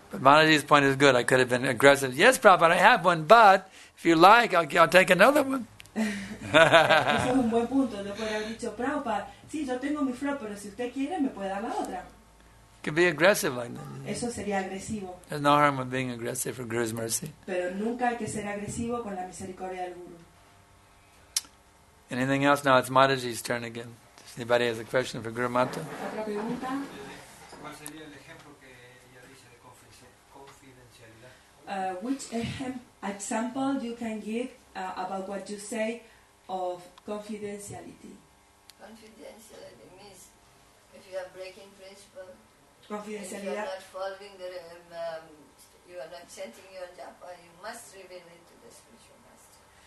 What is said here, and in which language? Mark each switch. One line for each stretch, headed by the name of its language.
English: But Manaji's point is good. I could have been aggressive. Yes, Prabhupada, I have one, but if you like, I'll take another one.
Spanish: Eso es un buen punto. Yo podría haber dicho, Prabhupada, sí, yo tengo mi flor, pero si usted quiere, me puede dar la otra.
English: Could be aggressive like that.
Spanish: Eso sería agresivo.
English: There's no harm in being aggressive for Guru's mercy.
Spanish: Pero nunca hay que ser agresivo con la misericordia del Guru.
English: Anything else? Now it's Mataji's turn again. Does anybody has a question for Guru Mata?
Spanish: ¿Otra pregunta? ¿Cuál sería el ejemplo que ella dice de confidencialidad?
English: Which example you can give about what you say of confidentiality? Confidentiality means if you are breaking principle.
Spanish: Confidencialidad.
English: If you are not following the you are not chanting your japa, you must reveal it to the spiritual master.